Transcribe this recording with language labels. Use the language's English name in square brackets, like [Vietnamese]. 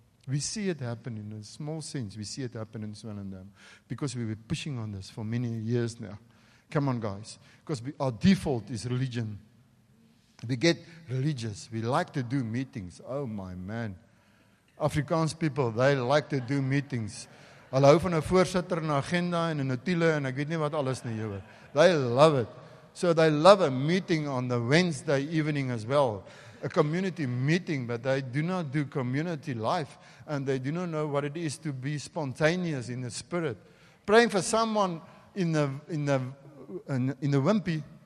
[English] We see it happen in a small sense. We see it happen in Swellendam. Because we've been pushing on this for many years now. Come on, guys. Because our default is religion. We get religious. We like to do meetings. Oh, my man. Afrikaans people, they like to do meetings. [Afrikaans] Hulle hou van 'n voorsitter en 'n agenda en 'n notule en ek weet nie wat alles nie, jowe. [English] They love it. So they love a meeting on the Wednesday evening as well. A community meeting, but they do not do community life and they do not know what it is to be spontaneous in the spirit. Praying for someone in the wimpy.